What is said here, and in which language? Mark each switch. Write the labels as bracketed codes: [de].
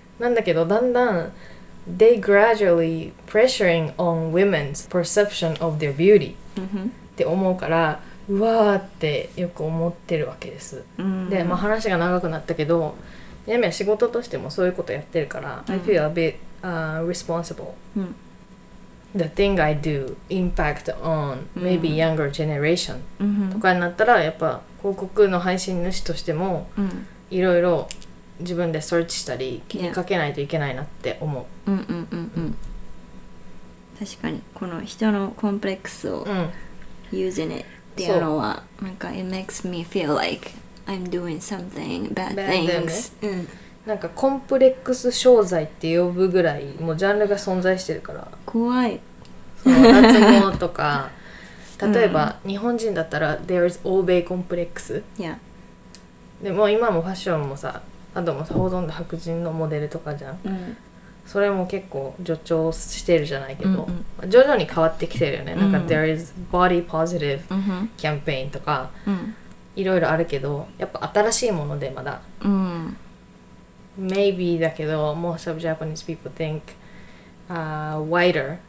[ja] なんだけどだんだん [en] they gradually pressuring on women's perception of their beauty [ja] って思うからうわーってよく思ってるわけです、うん、で、まあ、話が長くなったけどやめや仕事としてもそういうことやってるから、うん、 [en] I feel a bit、responsible、うん、 The thing I do impact on maybe younger generation、うん、 [ja] とかになったらやっぱ広告の配信主としてもいろいろ自分でsearchしたり気にかけないといけないなって思う、うんうんうんうん、確かにこの人のコンプレックスを、 [en] using it [ja] っていうのはなんか [en] it makes me feel likeI'm doing something bad things、 [ja] ねうん、なんかコンプレックス商材って呼ぶぐらいもうジャンルが存在してるから怖いその脱毛とか例えば、うん、日本人だったら [en] There is [ja] 欧米コンプレックス、 yeah. でも今もファッションもさあともさほとんど白人のモデルとかじゃん、うん、それも結構助長してるじゃないけど、うんうんまあ、徐々に変わってきてるよね、うん、なんか There is body positive キャンペーンとか、うんうんいろいろあるけど、やっぱ新しいものでまだ、うん、 [en] maybe [ja] だけど、 [en] most of Japanese people think、wider,、